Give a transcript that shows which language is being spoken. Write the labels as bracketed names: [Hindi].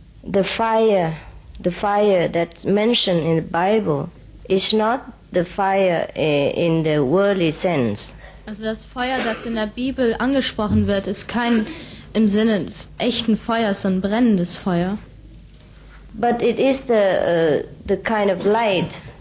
[English] The fire that mentioned in the Bible is not the fire in the worldly sense. [German] Also das Feuer, das in der Bibel angesprochen wird, ist kein im Sinne des echten Feuers, sondern brennendes Feuer. [English] But it is the kind of light.